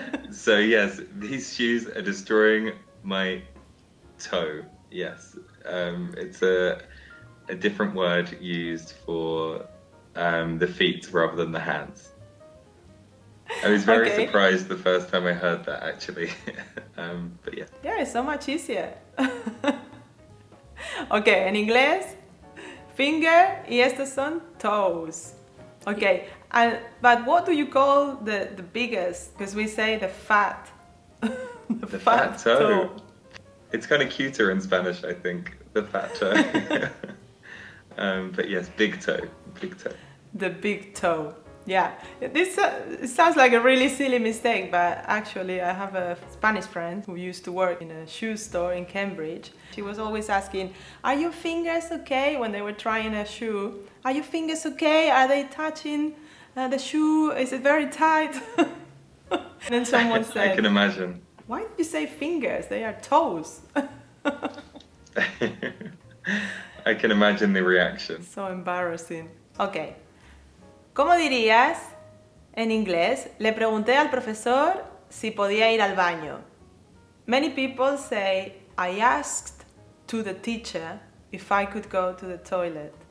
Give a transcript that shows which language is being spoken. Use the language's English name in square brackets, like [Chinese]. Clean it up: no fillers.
[English] So yes, these shoes are destroying my toe. Yes, it's a different word used for the feet rather than the hands. I was very surprised the first time I heard that, actually. but yeah. Yeah, it's so much easier. [Spanish] Okay, en inglés, finger y estos son toes. [English] Okay, yeah. But what do you call the biggest? Because we say the fat. the fat toe. It's kind of cuter in Spanish, I think. The fat toe. but yes, big toe. Big toe. The big toe. Yeah, this sounds like a really silly mistake, but actually I have a Spanish friend who used to work in a shoe store in Cambridge. She was always asking, are your fingers okay? When they were trying a shoe. Are your fingers okay? Are they touching the shoe? Is it very tight? And then someone said, I can imagine. Why did you say fingers? They are toes. I can imagine the reaction. So embarrassing. Okay. [Spanish] ¿Cómo dirías en inglés? Le pregunté al profesor si podía ir al baño. [English] Many people say, I asked to the teacher if I could go to the toilet.